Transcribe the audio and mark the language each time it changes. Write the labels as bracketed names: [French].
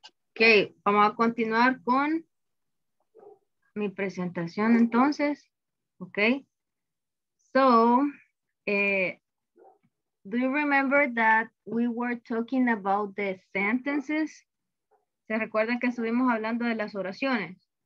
[Spanish] Okay, vamos a continuar con mi presentación entonces. [English] Okay. So, do you remember that we were talking about the sentences? [Spanish] ¿Se recuerdan que estuvimos hablando de las oraciones?